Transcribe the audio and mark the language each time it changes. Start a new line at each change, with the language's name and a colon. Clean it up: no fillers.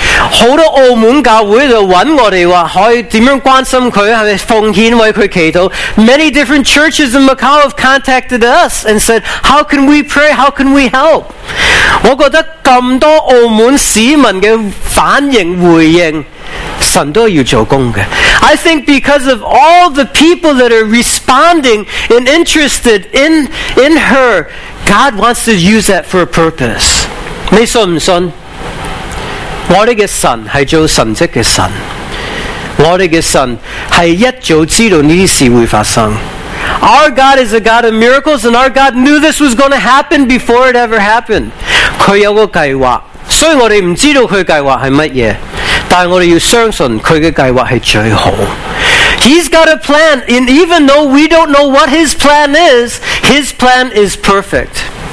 Cantonese: 很多澳門教會就找我們，說可以怎樣關心他，是不是奉獻為他祈禱。
English: Many different churches in Macau have contacted us and said, how can we pray, how can we help?
Cantonese: 我覺得這麼多澳門市民的反應回應，神都要做工的。
English: I think because of all the people that are responding and interested in her, God wants to use that for a purpose.
Cantonese: 你信不信? 我们的神是做神迹的神， 我们的神是一早知道这些事会发生。
English: Our God is a God of miracles, and our God knew this was going to happen before it ever happened.
Cantonese: 祂有个计划， 所以我们不知道祂的计划是什么， 但我们要相信祂的计划是最好。
English: He's got a plan, and even though we don't know what His plan is, His plan is perfect.